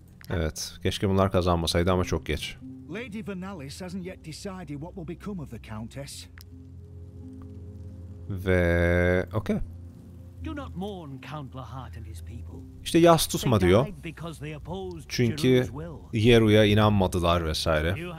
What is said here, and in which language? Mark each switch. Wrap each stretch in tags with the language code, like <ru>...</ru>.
<tr>Evet, keşke bunlar kazanmasaydı ama çok geç.</tr> <en>Lady Vernalis hasn't yet decided what will become of the Countess. Ve okay. Do not mourn Count Lahart and his people.</en> <tr>İşte yas tutma diyor. Çünkü Yeru'ya inanmadılar vesaire.</tr>